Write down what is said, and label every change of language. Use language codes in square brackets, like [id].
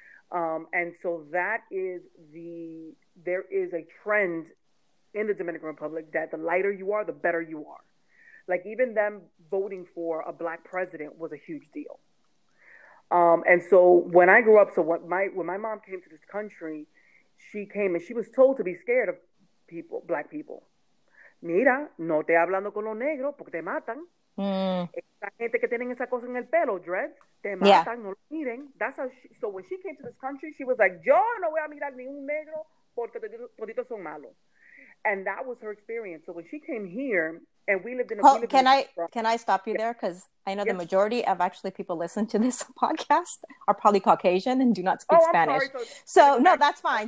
[en] And so that is there is a trend in the Dominican Republic that the lighter you are, the better you are. Like even them voting for a black president was a huge deal. And so when I grew up, when my mom came to this country, she came and she was told to be scared of people, black people. [es] Mira, no te hablando con los negros porque te matan. Esa gente que tienen esa cosa en el pelo, dreads. So when she came to this country, she was like, yo no voy a mirar ni un negro porque toditos son malos. [en] And that was her experience. So when she came here and we lived in a community. Can I stop you there? Because I know the majority of actually people listen to this podcast are probably Caucasian and do not speak Spanish. No, that's fine.